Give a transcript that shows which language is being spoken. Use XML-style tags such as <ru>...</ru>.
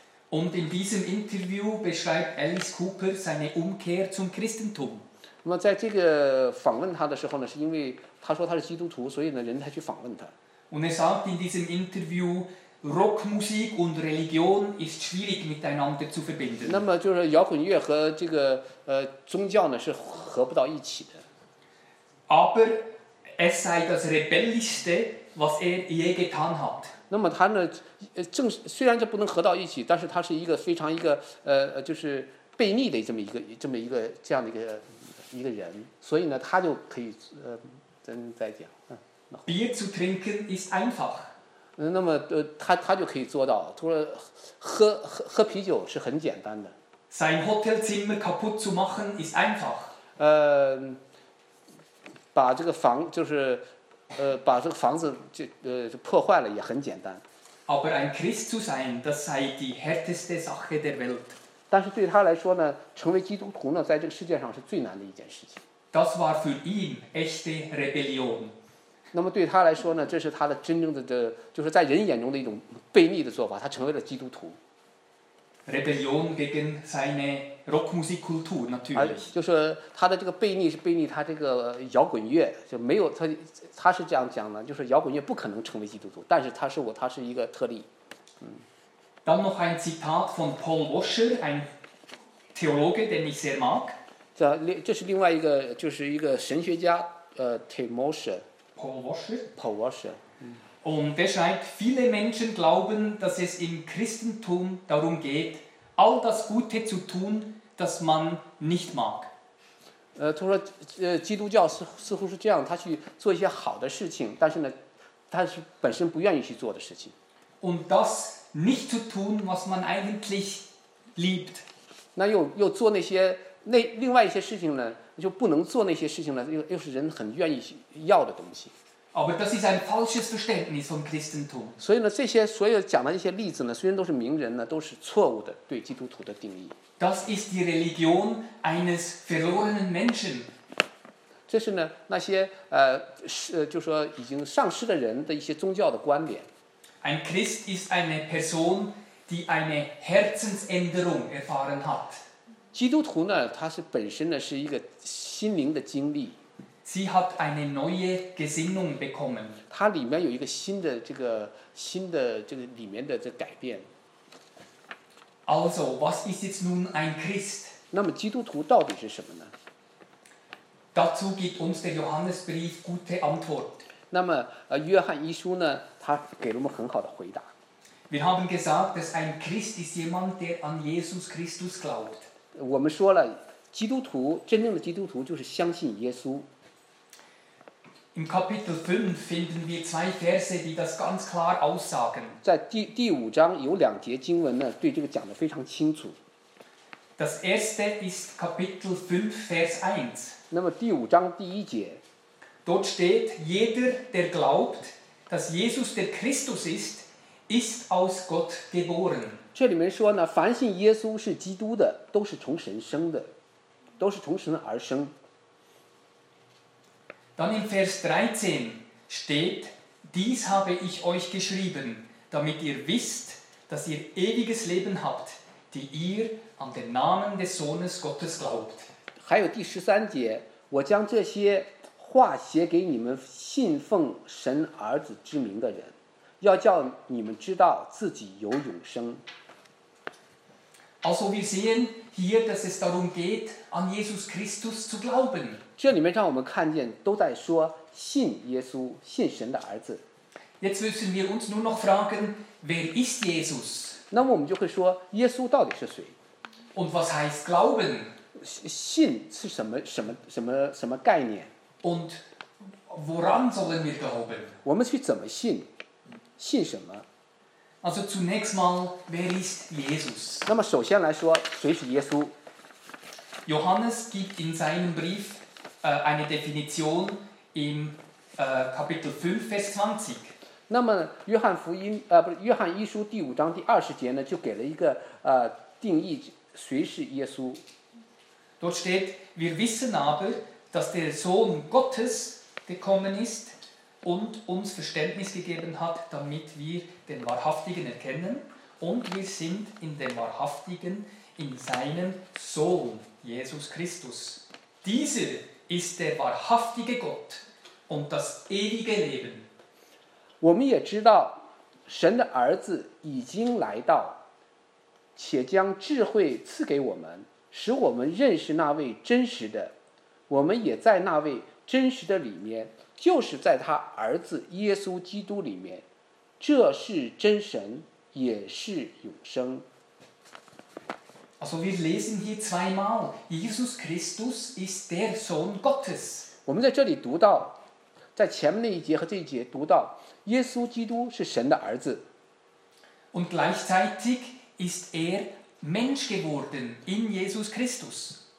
<de>Und in diesem Interview beschreibt Alice Cooper seine Umkehr zum Christentum.</de> <zh>那么在这个访问他的时候呢，是因为他说他是基督徒，所以呢，人才去访问他。</zh> <de>Und er sagt in diesem Interview, Rockmusik und Religion ist schwierig miteinander zu verbinden.</de> <zh>那么就是摇滚乐和这个宗教呢是合不到一起的。</zh> <de>Aber es sei das rebellischste, was er je getan hat.</de> <zh>那么他呢，虽然这不能合到一起，但是他是一个非常一个悖逆的这么一个人，所以呢，他就可以真在讲。</zh> <de>Bier zu trinken ist einfach.</de> <zh>那么他就可以做到，除了喝啤酒是很简单的。</zh> <de>Sein Hotelzimmer kaputt zu machen ist einfach.</de> <zh>把这个房就是把这个房子就破坏了也很简单。</zh> <de>Aber ein Christ zu sein, das sei die härteste Sache der Welt.</de> <zh>但是对他来说呢，成为基督徒呢，在这个世界上是最难的一件事情。</zh> <de>Das war für ihn echte Rebellion.</de> <zh>那么对他来说呢，这是他的真正的这，就是在人眼中的一种悖逆的做法，他成为了基督徒。</zh> <de>Rebellion gegen seine Rockmusikkultur natürlich.</de> <zh>就是他的这个悖逆是悖逆他这个摇滚乐，就没有他是这样讲的，就是摇滚乐不可能成为基督徒，但是他是一个特例。</zh> <de>Dann noch ein Zitat von Paul Washer, ein Theologe, den ich sehr mag.</de> <zh>这是另外一个，就是一个神学家，Tim Washer.</zh> <de>Paul Washer.</de> <zh>Paul Washer.</zh> <de>Und er schreibt, viele Menschen glauben, dass es im Christentum darum geht, all das Gute zu tun, das man nicht mag.</de> <zh>他说，基督教似乎是这样，他去做一些好的事情，但是呢，他是本身不愿意去做的事情。</zh> <de>Und das nicht zu tun, was man eigentlich liebt.</de> <zh>那又做那些另外一些事情呢，就不能做那些事情呢，又是人很愿意要的东西。</zh> <de>Aber das ist ein falsches Verständnis von Christentum.</de> <zh>所以呢，这些所有讲的一些例子呢，虽然都是名人呢，都是错误的对基督徒的定义。</zh> <de>Das ist die Religion eines verlorenen Menschen.</de> <zh>这是呢那些就说已经丧失的人的一些宗教的观点。</zh> <de>Ein Christ ist eine Person, die eine Herzensänderung erfahren hat.</de> <zh>基督徒呢，他是本身呢是一个心灵的经历。</zh> <de>Sie hat eine neue Gesinnung bekommen.</de> <zh>它里面有一个新的这个新的这个里面的这改变。</zh> <de>Also, was ist jetzt nun ein Christ?</de> <zh>那么基督徒到底是什么呢？</zh> <de>Dazu gibt uns der Johannesbrief gute Antwort.</de> <zh>那么约翰一书呢，他给了我们很好的回答。</zh> <de>Wir haben gesagt, dass ein Christ ist jemand, der an Jesus Christus glaubt.</de> <zh>我们说了，基督徒真正的基督徒就是相信耶稣。</zh> <de>Im Kapitel 5 finden wir zwei Verse, die das ganz klar aussagen.</de> <zh>在第五章有两节经文呢，对这个讲得非常清楚。</zh> <de>Das erste ist Kapitel 5, Vers 1.</de> <zh>那么第五章第一节。</zh> <de>Dort steht, jeder, der glaubt, dass Jesus der Christus ist, ist aus Gott geboren.</de> <zh>这里面说呢，凡信耶稣是基督的，都是从神生的，都是从神而生。</zh> <de>Dann in Vers 13 steht, dies habe ich euch geschrieben, damit ihr wisst, dass ihr ewiges Leben habt, die ihr an den Namen des Sohnes Gottes glaubt.</de> <zh>还有第十三节，我将这些话写给你们信奉神儿子之名的人，要叫你们知道自己有永生。</zh> <de>Also wir sehen hier, dass es darum geht, an Jesus Christus zu glauben.</de> <zh>这里面让我们看见都在说信耶稣，信神的儿子。</zh> <de>Jetzt müssen wir uns nur noch fragen, wer ist Jesus?</de> <zh>那么我们就会说耶稣到底是谁？</zh> <de>Und was heißt glauben?</de> <zh>信是什么概念？</zh> <de>Und woran sollen wir glauben?</de> <zh>我们去怎么信？信什么？</zh> <de>Also zunächst mal, wer ist Jesus?</de> <zh>那么首先来说，谁是耶稣？</zh> <de>Johannes gibt in seinem Brief eine Definition im Kapitel 5, Vers 20.</de> <zh>那么约翰福音不是约翰一书第五章第二十节呢，就给了一个定义，谁是耶稣。</zh> <de>Dort steht, wir wissen aber, dass der Sohn Gottes gekommen ist und uns Verständnis gegeben hat, damit wir den Wahrhaftigen erkennen und wir sind in dem Wahrhaftigen, in seinem Sohn, Jesus Christus. Dieser ist der wahrhaftige Gott und das ewige Leben.</de> <zh>我们也知道神的儿子已经来到，且将智慧赐给我们，使我们认识那位真实的。我们也在那位真实的里面，就是在他儿子耶稣基督里面。这是真神，也是永生。</zh> <de>Also wir lesen hier zweimal, Jesus Christus ist der Sohn Gottes.</de> <zh>我们在这里读到，在前面那一节和这一节读到，耶稣基督是神的儿子。</zh> <de>Und gleichzeitig ist er Mensch geworden in Jesus Christus.</de>